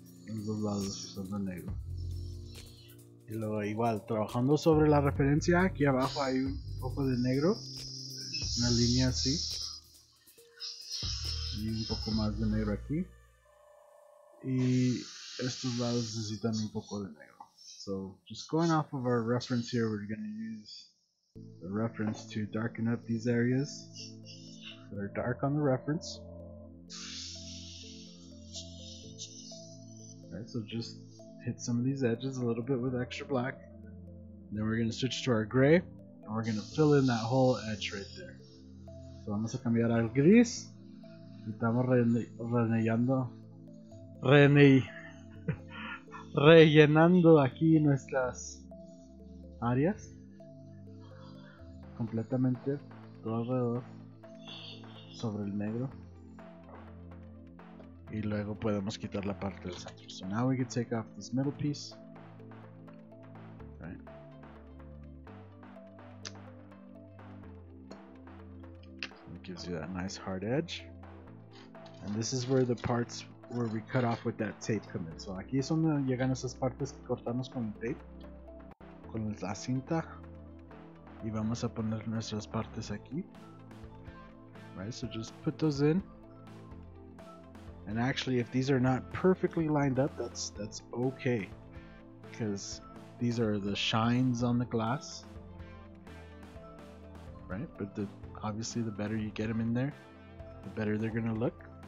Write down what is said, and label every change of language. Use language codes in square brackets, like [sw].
[es] En los lados son de negro. Y luego igual, trabajando sobre la referencia, aquí abajo hay un poco de negro, una línea así, y un poco más de negro aquí, y estos lados necesitan un poco de negro. [en] So, just going off of our reference here, we're going to use the reference to darken up these areas that are dark on the reference. Right, so just hit some of these edges a little bit with extra black. And then we're going to switch to our gray, and we're going to fill in that whole edge right there. [es] So vamos a cambiar al gris. Estamos rellenando aquí nuestras áreas completamente todo alrededor sobre el negro. Y luego podemos quitar la parte del centro. [en] So now we can take off this middle piece. Right. So it gives you that nice hard edge. And this is where the parts where we cut off with that tape come in. So [es] aquí es donde llegan esas partes que cortamos con el tape. Con la cinta. Y vamos a poner nuestras partes aquí. [en] right? So just put those in. And actually, if these are not perfectly lined up, that's okay, because these are the shines on the glass, right? But the obviously, the better you get them in there, the better they're gonna look.